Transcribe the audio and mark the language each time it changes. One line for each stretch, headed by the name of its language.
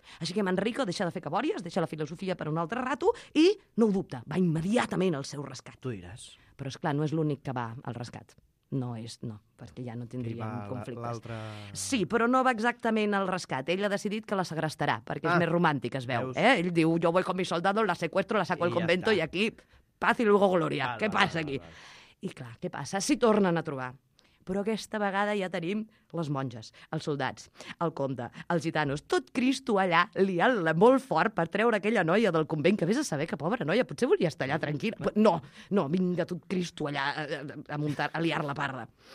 Catalan: Així que Enrico deixa de fer cabòries, deixa la filosofia per un altre rato i, no ho dubta, va immediatament al seu rescat. Tu diràs. Però, és clar, no és l'únic que va al rescat. No és, no, perquè ja no tindríem conflictes. L'altre... Sí, però no va exactament al rescat. Ell ha decidit que la segrestarà, perquè és més romàntic, es veu. Veus? Ell diu,
Spanish: jo voy con mi soldado, la secuestro, la saco al convento
Catalan: i aquí,
Spanish: paz y luego gloria.
Catalan: Què passa aquí? I clar, què passa? S'hi tornen a trobar. Però aquesta vegada ja tenim les monges, els soldats, el comte, els gitanos, tot Cristo allà liant-la molt fort per treure aquella noia del convent, que vés a saber que pobra noia, potser volia estar allà tranquil·la. No, no, vinga tot Cristo allà a muntar, a liar-la parda.